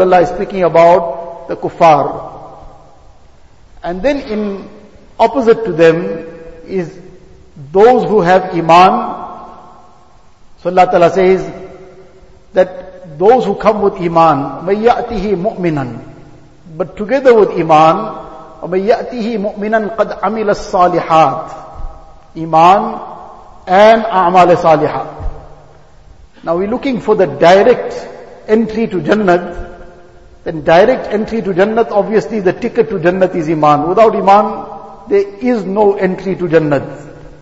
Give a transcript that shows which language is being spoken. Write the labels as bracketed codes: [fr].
[en] Allah is speaking about the kuffar. And then in opposite to them is those who have iman. So Allah Ta'ala says that those who come with iman, [ar] مَيَّأْتِهِ مُؤْمِنًا. [en] But together with iman, [ar] وَمَيَّأْتِهِ مُؤْمِنًا قَدْ عَمِلَ الصَّالِحَاتِ. [en] Iman and [ar] أَعْمَالِ صَالِحَاتِ. [en] Now we're looking for the direct entry to Jannat. Then direct entry to Jannat, obviously the ticket to Jannat is iman. Without iman, there is no entry to Jannat.